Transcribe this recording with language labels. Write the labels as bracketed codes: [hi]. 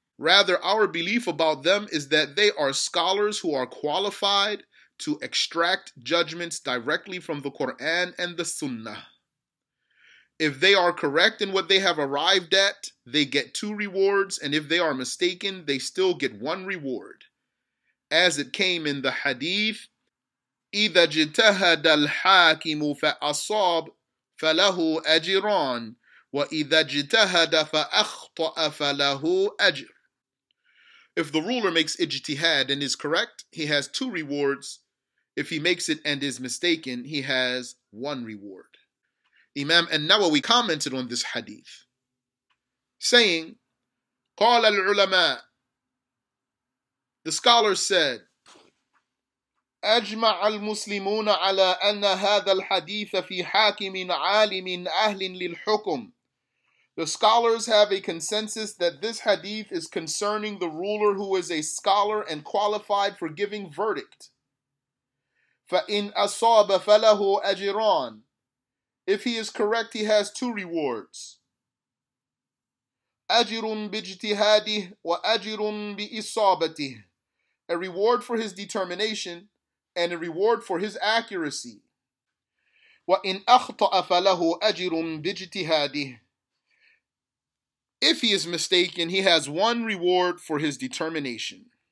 [en] Rather, our belief about them is that they are scholars who are qualified to extract judgments directly from the Quran and the Sunnah. If they are correct in what they have arrived at, they get two rewards, and if they are mistaken, they still get one reward. As it came in the hadith, [ar] إِذَا جِتَهَدَ الْحَاكِمُ فَأَصَابْ فَلَهُ أَجِرًا وَإِذَا جِتَهَدَ فَأَخْطَأَ فَلَهُ أَجِرٌ. [en] If the ruler makes ijtihad and is correct, he has two rewards. If he makes it and is mistaken, he has one reward. Imam An-Nawawi commented on this hadith, saying, [ar] قال العلماء, [en] the scholars said, [ar] أجمع المسلمون على أن هذا الحديث في حاكم عالم أهل للحكم. [en] The scholars have a consensus that this hadith is concerning the ruler who is a scholar and qualified for giving verdict. [ar] فإن أصاب فله أجران. [en] If he is correct, he has two rewards. [ar] أجرٌ بِجْتِهَادِهِ وَأَجرٌ بِإِصَابَتِهِ. [en] A reward for his determination and a reward for his accuracy. [ar] وَإِنْ أَخْطَأَ فَلَهُ أَجرٌ بِجْتِهَادِهِ. [en] If he is mistaken, he has one reward for his determination.